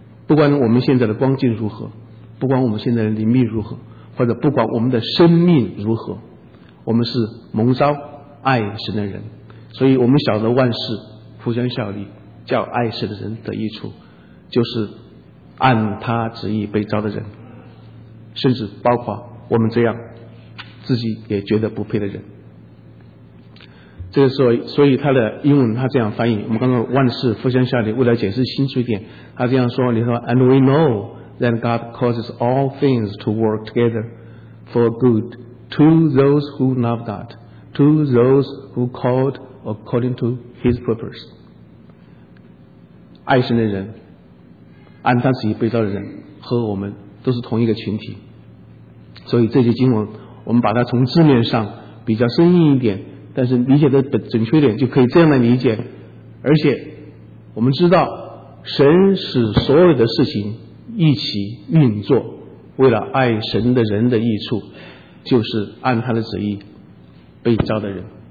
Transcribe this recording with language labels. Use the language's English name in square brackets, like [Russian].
[Chinese] 不管我们现在的光景如何，不管我们现在的灵命如何，或者不管我们的生命如何，我们是蒙召爱神的人，所以我们晓得万事互相效力，叫爱神的人得益处，就是按他旨意被召的人，甚至包括我们这样自己也觉得不配的人。这个时候，所以他的英文他这样翻译，我们刚刚万事互相效力，为了解释清楚一点，他这样说，你说 [English] And we know that God causes all things to work together for good to those who love God, to those who called according to His purpose。 [Chinese] 爱神的人，按他旨意被召的人，和我们都是同一个群体。所以这些经文我们把它从字面上比较生硬一点，但是理解的准确点，就可以这样来理解。而且我们知道神使所有的事情一起运作，为了爱神的人的益处，就是按他的旨意被召的人。